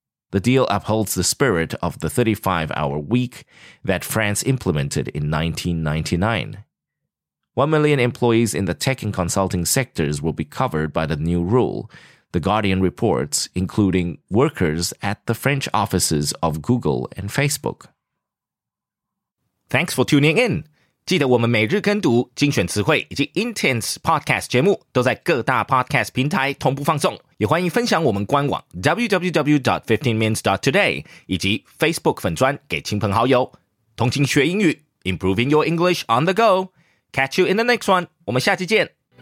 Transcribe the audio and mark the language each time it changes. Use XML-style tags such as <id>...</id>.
<en>The deal upholds the spirit of the 35-hour week that France implemented in 1999. 1 million employees in the tech and consulting sectors will be covered by the new rule, The Guardian reports, including workers at the French offices of Google and Facebook. Thanks for tuning in.</en> <zh>记得我们每日跟读精选词汇以及 Intense Podcast 节目都在各大 Podcast 平台同步放送。也欢迎分享我们官网 www.15minutes.today 以及 Facebook 粉专给亲朋好友。同情学英语</zh> <en>，Improving your English on the go. Catch you in the next one.</en> <zh>我们下期见。</zh>